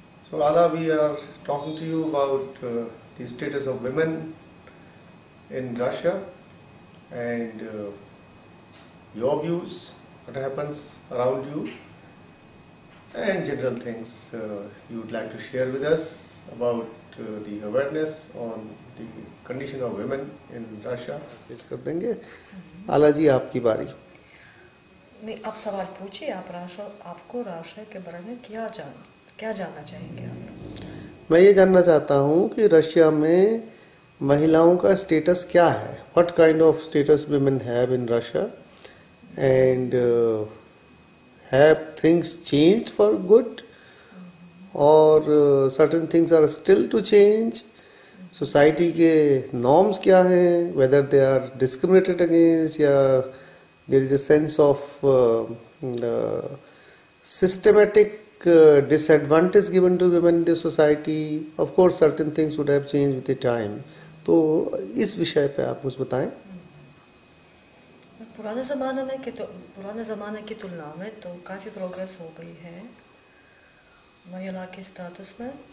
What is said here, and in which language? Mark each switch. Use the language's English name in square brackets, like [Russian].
[English] So Aala, we are talking to you about the status of women in Russia and your views, what happens around you, and general things you would like to share with us about the awareness on the condition of women in Russia. [Hindi] Discuss कर देंगे. आला जी आपकी बारी. नहीं आप सवाल पूछिए. आप राशो आपको राशो के बारे में क्या जान क्या जानना चाहेंगे आप? मैं ये जानना चाहता हूँ कि रशिया में महिलाओं का स्टेटस क्या है. [English] What kind of status women have in Russia? And have things changed for good, or certain things are still to change? [Hindi] Society ke norms kya hai, [English] whether they are discriminated against, ya there is a sense of systematic disadvantage given to women in the society. Of course, certain things would have changed with the time. [Hindi] To is vishay pe aap mujhe bataein. पुराने ज़माने में के तो पुराने ज़माने की तुलना में तो काफ़ी प्रोग्रेस हो गई है महिला के स्टेटस में.